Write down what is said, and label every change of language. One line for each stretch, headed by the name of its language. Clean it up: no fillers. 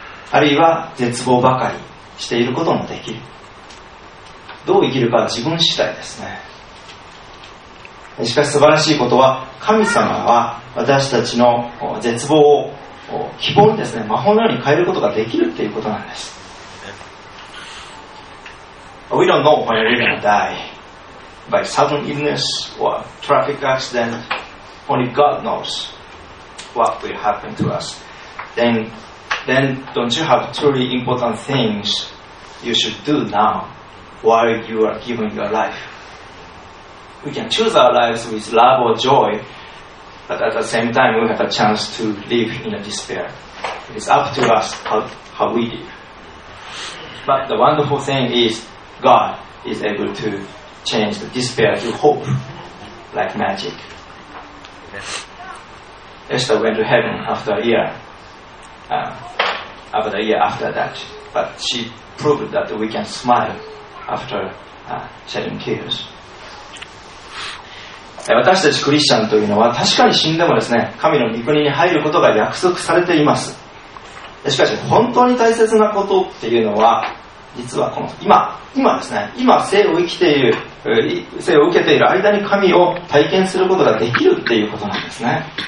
Japanese: あるいは絶望ばかりしていることもできる。どう生きるかは自分次第ですね。しかし素晴らしいことは、神様は私たちの絶望を希望にですね、魔法のように変えることができるということなんです。
English: We don't know when we're going to die by sudden illness or traffic accident. Only God knows what will happen to us. Then don't you have truly important things you should do now while you are giving your life? We can choose our lives with love or joy, but at the same time we have a chance to live in a despair. It's up to us how we live. But the wonderful thing isGod is able to change the despair to hope like magic. Esther went to heaven after a year, about a year after that. But she proved that we can smile after shedding tears.
Japanese: 私たちクリスチャンというのは確かに死んでもですね、神の御国に入ることが約束されています。しかし本当に大切なことっていうのは、実はこの今ですね、今生を生きている、生を受けている間に神を体験することができるっていうことなんですね。